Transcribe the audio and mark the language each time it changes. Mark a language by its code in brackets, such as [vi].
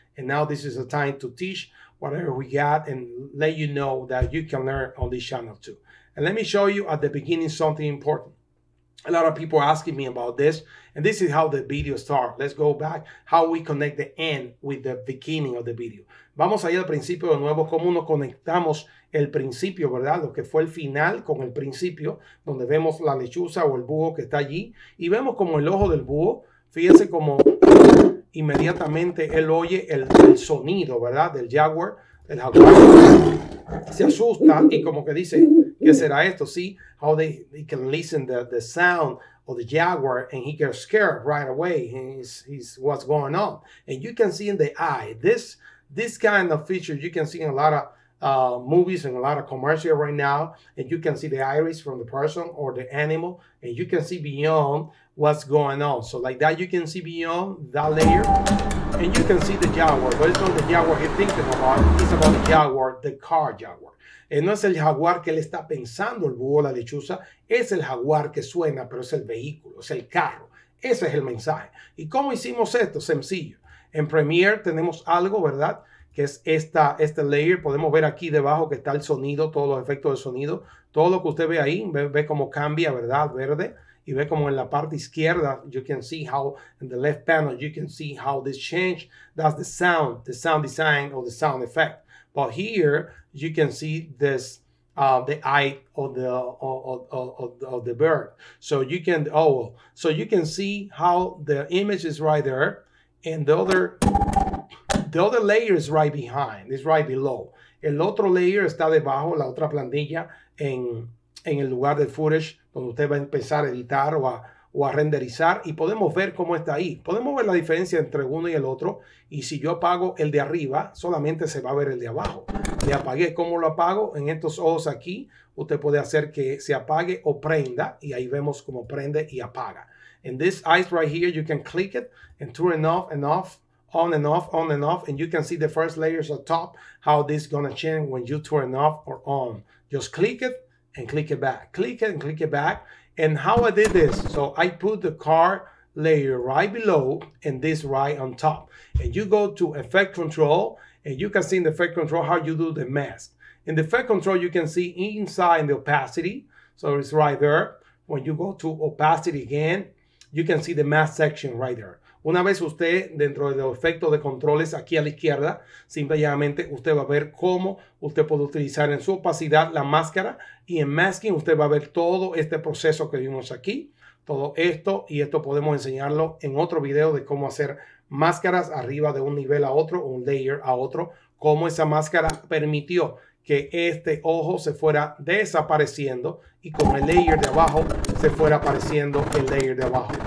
[en] And now this is the time to teach whatever we got and let you know that you can learn on this channel too. And let me show you at the beginning something important. A lot of people are asking me about this, and this is how the video starts. Let's go back, how we connect the end with the beginning of the video. [es] Vamos ahí al principio de nuevo, cómo nos conectamos el principio, ¿verdad? Lo que fue el final con el principio, donde vemos la lechuza o el búho que está allí, y vemos como el ojo del búho, fíjense como inmediatamente él oye el sonido, ¿verdad? Del jaguar, el jaguar, se asusta y como que dice, ¿qué será esto? ¿Sí? [en] How he can listen the sound of the jaguar and he gets scared right away. He's what's going on. And you can see in the eye, this kind of feature you can see in a lot of movies and a lot of commercials right now. And you can see the iris from the person or the animal. And you can see beyond what's going on. So like that, you can see beyond that layer. And you can see the jaguar. But it's not the jaguar he's thinking about. It's about the jaguar, the car jaguar. [es] No es el jaguar que él está pensando, el búho, la lechuza, es el jaguar que suena, pero es el vehículo, es el carro. Ese es el mensaje. ¿Y cómo hicimos esto? Sencillo. En Premiere tenemos algo, ¿verdad? Que es este layer. Podemos ver aquí debajo que está el sonido, todos los efectos de sonido. Todo lo que usted ve ahí, ve cómo cambia, ¿verdad? Verde. Y ve como en la parte izquierda, [en] you can see how, in the left panel, you can see how this change, that's the sound design or the sound effect. But here, you can see this, the eye of the bird. So you can, so you can see how the image is right there. And the other layer is right behind, it's right below. [es] El otro layer está debajo, la otra plantilla, en el lugar del footage, donde usted va a empezar a editar o a renderizar, y podemos ver cómo está ahí. Podemos ver la diferencia entre uno y el otro, y si yo apago el de arriba, solamente se va a ver el de abajo. Le apagué, ¿cómo lo apago? En estos ojos aquí, usted puede hacer que se apague o prenda, y ahí vemos cómo prende y apaga. [en] In this eyes right here, you can click it, and turn off and off, on and off, on and off, and you can see the first layers at top, how this is gonna change when you turn off or on. Just click it, and click it back. Click it, and click it back. And how I did this, so I put the car layer right below and this right on top. And you go to effect control, and you can see in the effect control how you do the mask. In the effect control, you can see inside the opacity, so it's right there. when you go to opacity again, you can see the mass section right there. [es] Una vez usted dentro de los efectos de controles aquí a la izquierda, simplemente usted va a ver cómo usted puede utilizar en su opacidad la máscara y en masking usted va a ver todo este proceso que vimos aquí, todo esto, y esto podemos enseñarlo en otro video de cómo hacer máscaras arriba de un nivel a otro, un layer a otro, cómo esa máscara permitió que este ojo se fuera desapareciendo y con el layer de abajo se fuera apareciendo el layer de abajo.